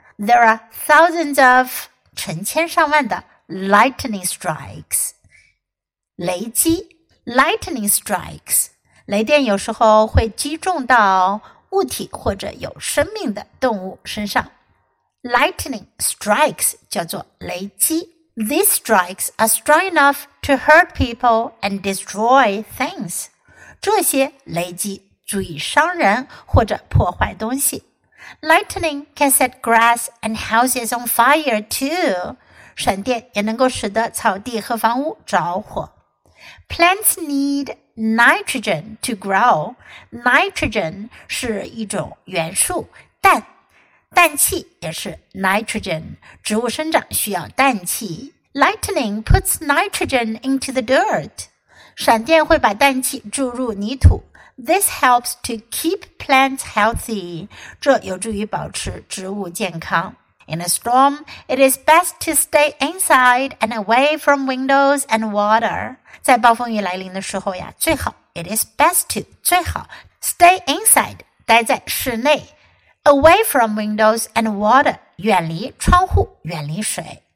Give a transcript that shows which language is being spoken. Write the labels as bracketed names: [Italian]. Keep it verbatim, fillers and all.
[English] There are thousands of [Chinese] 成千上万的 [English] lightning strikes. [Chinese] 雷击 [English] lightning strikes. [Chinese] 雷电有时候会击中到物体或者有生命的动物身上。 [English] Lightning strikes [Chinese] 叫做雷击。 [English] These strikes are strong enough to hurt people and destroy things. [Chinese] 这些雷击足以伤人或者破坏东西。 [English] Lightning can set grass and houses on fire too. [Chinese] 闪电也能够使得草地和房屋着火。 [English] Plants need nitrogen to grow. [Chinese] Nitrogen 是一种元素，氮，氮气也是 nitrogen. 植物生长需要氮气。 [English] Lightning puts nitrogen into the dirt. [Chinese] 闪电会把氮气注入泥土。 [English] This helps to keep plants healthy. [Chinese] 这有助于保持植物健康。 [English] In a storm, it is best to stay inside and away from windows and water. [Chinese] 在暴风雨来临的时候呀，最好 [English] it is best to [Chinese] 最好 [English] stay inside [Chinese] 待在室内 [English] away from windows and water [Chinese] 远离窗户，远离水。